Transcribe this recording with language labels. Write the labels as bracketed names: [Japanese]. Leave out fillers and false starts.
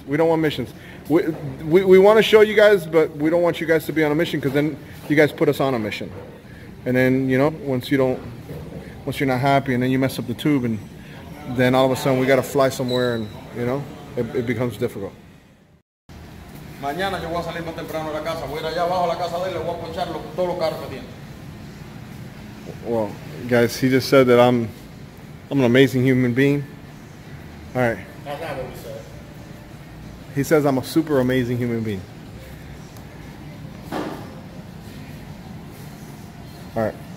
[English] We want to show you guys, but we don't want you guys to be on a mission, because then you guys put us on a mission. And then, you know, once you're not happy, and then you mess up the tube, and then all of a sudden we got to fly somewhere, and, you know, it becomes difficult. [Spanish] Mañana yo voy a salir más temprano de la casa. Voy a ir allá abajo a la casa de él, le voy a ponchar todos los carros que tiene. [English] Well, guys, he just said that I'm an amazing human being. All right. That's not what we said. He says I'm a super amazing human being. All right.